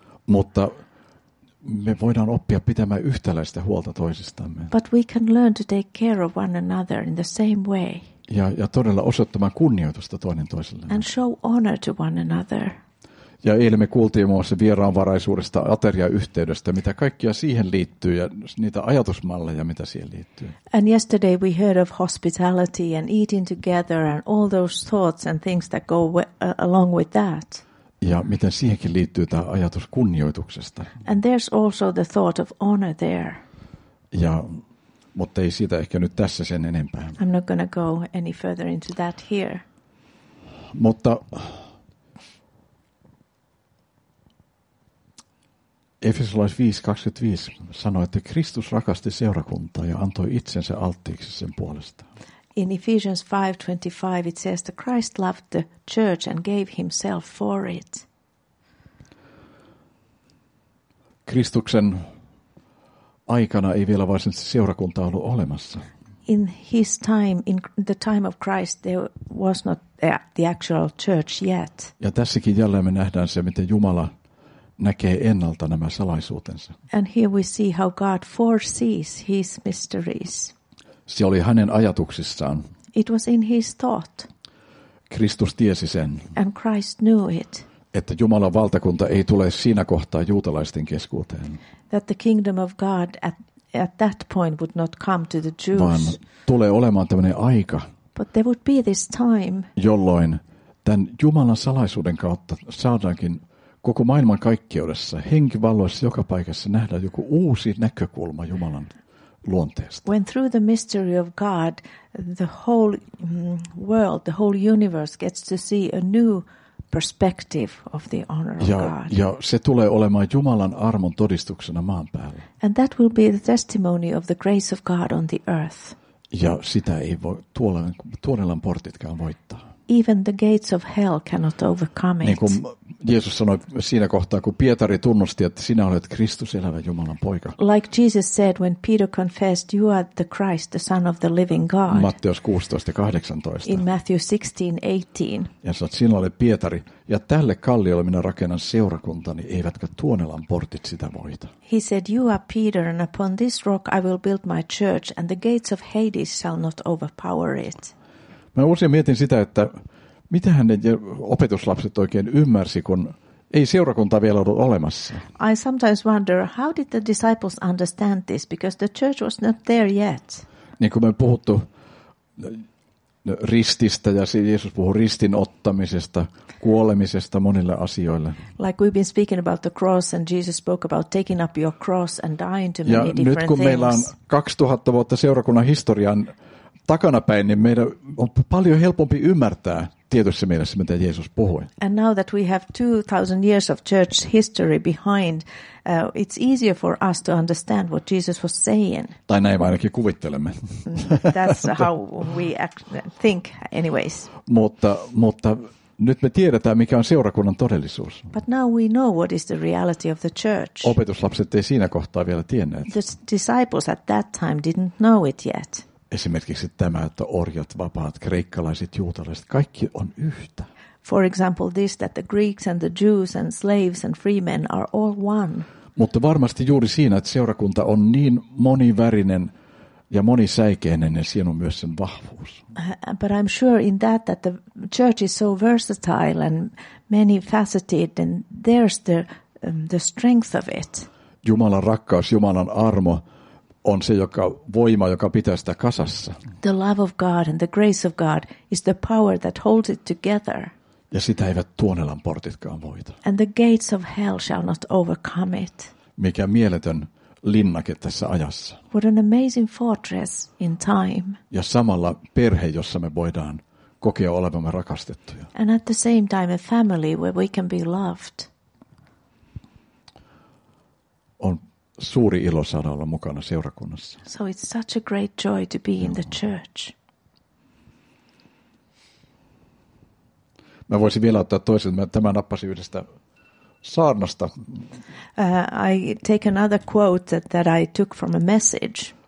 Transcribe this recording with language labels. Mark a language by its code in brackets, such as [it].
[fi] Mutta me voidaan oppia pitämään yhtäläistä huolta toisistamme. [en] But we can learn to take care of one another in the same way. [fi] Ja todella osoittamaan kunnioitusta toinen toisellemme. [en] And show honor to one another. [fi] Ja eilen me kuultiin muun muassa vieraanvaraisuudesta, ateriayhteydestä, mitä kaikkia siihen liittyy ja niitä ajatusmalleja, mitä siihen liittyy. [en] And yesterday we heard of hospitality and eating together and all those thoughts and things that go along with that. [fi] Ja miten siihenkin liittyy tämä ajatus kunnioituksesta. [en] And there's also the thought of honor there. [fi] Ja, mutta ei siitä ehkä nyt tässä sen enempää. [en] I'm not going to go any further into that here. [fi] Mutta Efesolais 5:25 sanoi, että Kristus rakasti seurakuntaa ja antoi itsensä alttiiksi sen puolesta. [en] In Ephesians 5:25 it says that Christ loved the church and gave himself for it. [fi] Kristuksen aikana ei vielä varsinaista seurakuntaa ollut olemassa. [en] In his time, in the time of Christ, there was not the actual church yet. [fi] Ja tässäkin jälleen me nähdään se, miten Jumala näkee ennalta nämä salaisuutensa. [en] And here we see how God foresees his mysteries. [fi] Se oli hänen ajatuksissaan. [en] It was in his thought. [fi] Kristus tiesi sen. [en] And Christ knew it. [fi] Että Jumalan valtakunta ei tule siinä kohtaa juutalaisten keskuuteen. [en] That the kingdom of God at that point would not come to the Jews. [fi] Vaan tulee olemaan tämmöinen aika. [en] But there would be this time. [fi] Jolloin tämän Jumalan salaisuuden kautta saadaankin koko maailman kaikkeudessa, henkivalloissa, joka paikassa nähdään joku uusi näkökulma Jumalan luonteesta. [en] When through the mystery of God, the whole world, the whole universe gets to see a new perspective of the honor of God. [fi] Ja se tulee olemaan Jumalan armon todistuksena maan päällä. [en] And that will be the testimony of the grace of God on the earth. [fi] Ja sitä ei voi tuolellan portitkaan voittaa. [en] Even the gates of hell cannot overcome it. [fi] Niin kuin Jeesus sanoi siinä kohtaa, kun Pietari tunnusti, että sinä olet Kristus, elävä Jumalan poika. [en] Like Jesus said when Peter confessed, you are the Christ, the son of the living God. [fi] Matteus 16:18. [en] In Matthew 16:18. [fi] Ja sanoi, sinä olet Pietari, ja tälle kalliolle minä rakennan seurakuntani, eivätkä Tuonelan portit sitä voita. [en] He said, you are Peter, and upon this rock I will build my church, and the gates of Hades shall not overpower it. [fi] Mä usein mietin sitä, että mitähän ne opetuslapset oikein ymmärsi, kun ei seurakunta vielä ollut olemassa. [en] I sometimes wonder, how did the disciples understand this, because the church was not there yet. [fi] Niin kuin me puhuttu rististä ja Jeesus puhui ristin ottamisesta, kuolemisesta monille asioille. [en] Like we've been speaking about the cross and Jesus spoke about taking up your cross and dying to many different things. [fi] Ja nyt kun meillä on 2000 vuotta seurakunnan historian takanapäin, niin meidän on paljon helpompi ymmärtää tietyssä mielessä, mitä Jeesus puhui. [en] And now that we have 2000 years of church history behind, it's easier for us to understand what Jesus was saying. [fi] Tai näin ainakin kuvittelemme. [en] That's how we think anyways. [fi] Mutta nyt me tiedetään, mikä on seurakunnan todellisuus. [en] But now we know what is the reality of the church. [fi] Opetuslapset ei siinä kohtaa vielä tienneet. [en] The disciples at that time didn't know it yet. [fi] Esimerkiksi tämä, että orjat, vapaat, kreikkalaiset, juutalaiset, kaikki on yhtä. [en] For example this, that the Greeks and the Jews and slaves and free men are all one. [fi] Mutta varmasti juuri siinä, että seurakunta on niin monivärinen ja monisäikeinen, ja siinä on myös sen vahvuus. [en] But I'm sure in that the church is so versatile and many faceted, and there's the strength of it. [fi] Jumalan rakkaus, Jumalan armo on se joka voima, joka pitää sitä kasassa. [en] The love of God and the grace of God is the power that holds it together. [fi] Ja sitä eivät tuonelan portitkaan voita. [en] And the gates of hell shall not overcome it. [fi] Mikä mieletön linnake tässä ajassa. [en] What an amazing fortress in time. [fi] Ja samalla perhe, jossa me voidaan kokea olevamme rakastettuja. [en] And at the same time a family where we can be loved. [fi] On suuri ilo saada olla mukana seurakunnassa. [en] So it's such a great joy to be in the church. [fi] Mä voisin vielä ottaa toisen. Tämä nappasi yhdestä saarnasta. [en] I take another quote that I took from a message.